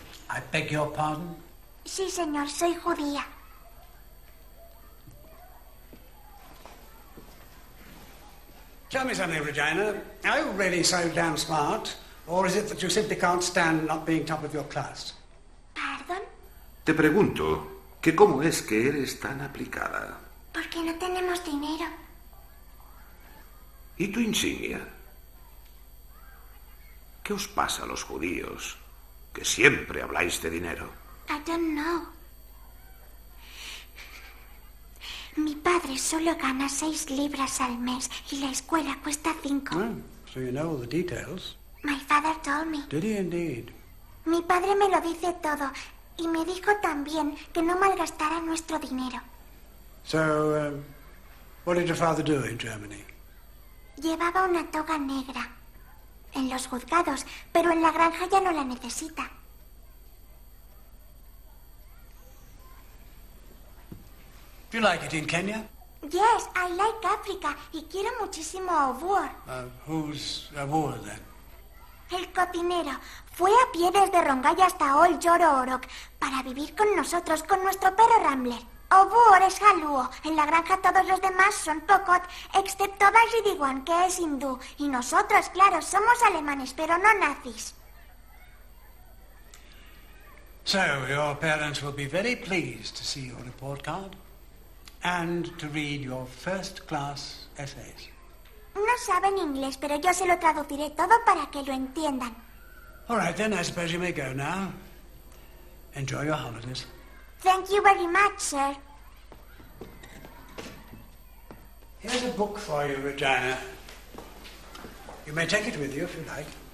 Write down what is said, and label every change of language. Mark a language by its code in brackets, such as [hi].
[en] I beg your pardon? [es] Sí, señor, soy judía. [en] Tell me something, Regina. Are you really so damn smart? Or is it that you simply can't stand not being top of your class? Pardon? [es] Te pregunto, ¿qué cómo es que eres tan aplicada? Porque no tenemos dinero. ¿Y tu insignia? ¿Qué os pasa a los judíos, que siempre habláis de dinero? [en] I don't know. [es] Mi padre solo gana 6 libras al mes y la escuela cuesta 5. [en] Well, so you know all the details. My father told me. Did he indeed? [es] Mi padre me lo dice todo y me dijo también que no malgastara nuestro dinero. [en] So, what did your father do in Germany? [es] Llevaba una toga negra en los juzgados, pero en la granja ya no la necesita. [en] Do you like it in Kenya? Yes, I like Africa [es] y quiero muchísimo a Obuor. [en] Who's Obuor then? [es] El cocinero. Fue a pie desde Rongai hasta Old Joro Orok para vivir con nosotros, con nuestro perro Rambler. Obuor es Haluo. En la granja todos los demás son Pokot, excepto Basri Diwan, que es hindú. Y nosotros, claro, somos alemanes, pero no nazis. [en] So, your parents will be very pleased to see your report card. And to read your first class essays. [es] No saben inglés, pero yo se lo traduciré todo para que lo entiendan. [en] All right, then, I suppose you may go now. Enjoy your holidays. Thank you very much, sir. Here's a book for you, Regina. You may take it with you if you like.